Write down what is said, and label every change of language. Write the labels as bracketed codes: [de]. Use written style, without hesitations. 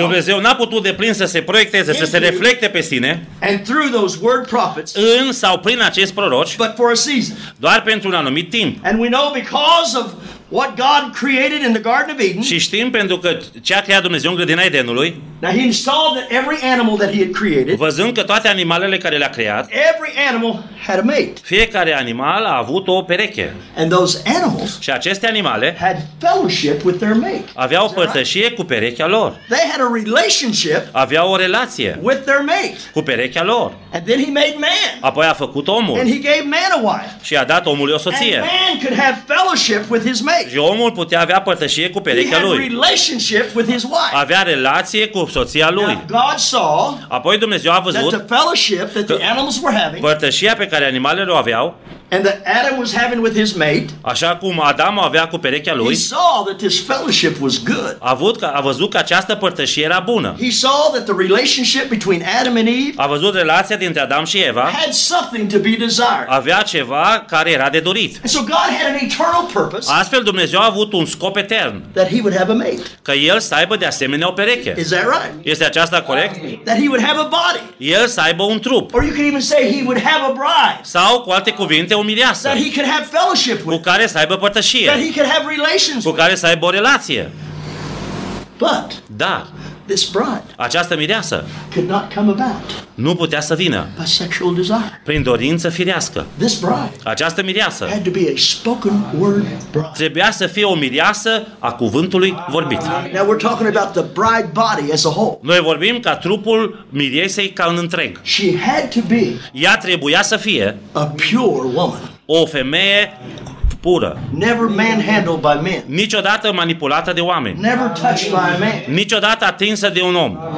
[ro] Dumnezeu n-a putut deplin să se proiecteze, să se reflecte pe sine. [en] And through those word prophets. [ro] În sau prin acești proroci. [en] But for a season. [ro] Doar pentru un anumit timp. [en] And we know because of what God created in the Garden of Eden. [ro] Și știm pentru că ce a creat Dumnezeu în grădina Edenului. [en] Now he saw that every animal that he had created. [ro] Văzând că toate animalele care le-a creat. [en] Every animal had a mate. [ro] Fiecare animal a avut o pereche. [en] And those animals. [ro] Și aceste animale [en] had fellowship with their mate. [ro] Aveau părtășie cu perechea lor. [en] They had a relationship. [ro] Aveau o relație [en] with their mate. [ro] Cu perechea lor. [en] And then he made man. [ro] Apoi a făcut omul. [en] And he gave man a wife. [ro] Și a dat omului o soție. [en] And man could have fellowship with his mate. [ro] Și omul putea avea părtășie cu perechea lui. [en] He had relationship with his wife. [ro] Avea relație cu soția lui. [en] Now, God saw. [ro] Apoi Dumnezeu a văzut [en] that the fellowship that the animals were having. [ro] Părtășia pe care animalele o aveau. [en] And that Adam was having with his mate. [ro] Așa cum Adam o avea cu perechea lui. [en] He saw that this fellowship was good. [ro] A văzut că această părtășie era bună. [en] He saw that the relationship between Adam and Eve. [ro] A văzut relația dintre Adam și Eva. [en] Had something to be desired. [ro] Avea ceva care era de dorit. [en] And so God had an eternal purpose. [ro] Astfel Dumnezeu a avut un scop etern. [en] That he would have a mate. [ro] Că el să aibă de asemenea o pereche. [en] Is that right? [ro] Este aceasta corect? [en] That he would have a body. [ro] El să aibă un trup. [en] Or you can even say he would have a bride. [ro] Sau cu alte cuvinte, o mireasă, [en] that he could have fellowship with, [ro] cu care să aibă părtășie, [en] that he could have relations, [ro] cu care să aibă o relație. [en] But, [ro] dar, [en] this bride, [ro] această mireasă, [en] could not come about, [ro] nu putea să vină, [en] by sexual desire, [ro] prin dorință firească. [en] This bride, [ro] această mireasă, [en] had to be a spoken word bride, [ro] trebuia să fie o mireasă a cuvântului vorbit. [en] Now we're talking about the bride body as a whole. [ro] Noi vorbim ca trupul miriesei ca în întreg. [en] She had to be, [ro] ea trebuia să fie, [en] a pure woman, [ro] o femeie pură. [en] Never manhandled by men. [ro] Niciodată manipulată de oameni. [en] Never touched by a man. [ro] Niciodată atinsă de un om.